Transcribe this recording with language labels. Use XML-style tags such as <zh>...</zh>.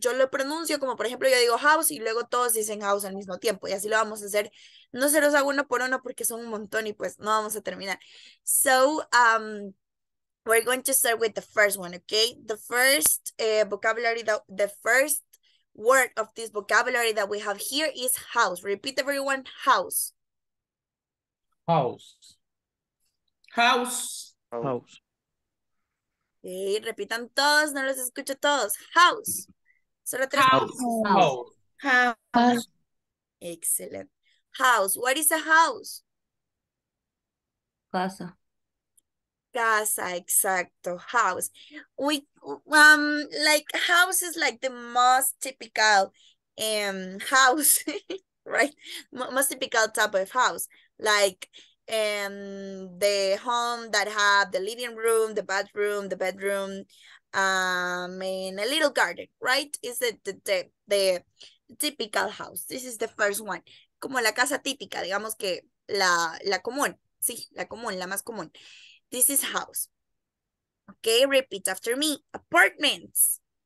<es>Yo lo pronuncio como, por ejemplo, yo digo house y luego todos dicen house al mismo tiempo. Y así lo vamos a hacer. No se los hago uno por uno porque son un montón y pues no vamos a terminar.</es> <en>So, we're going to start with the first one, okay? The first vocabulary, the first word of this vocabulary that we have here is house. Repeat everyone, house. House. House. House.</en> <es>Okay, repitan todos, no los escucho todos. House. Solo tres.</es> <en>House. House. Excellent. House. What is a house?</en> <es>Casa. Casa, exacto. House.</es> <en>Like house is like the most typical house, right? Most typical type of house. Like the home that have the living room, the bathroom, the bedroom, and a little garden, right? Is it the typical house? This is the first one.</en> <es>Como la casa típica, digamos que la común. Sí, la común, la más común.</es> <en>This is house. Okay, repeat after me. Apartments.</en>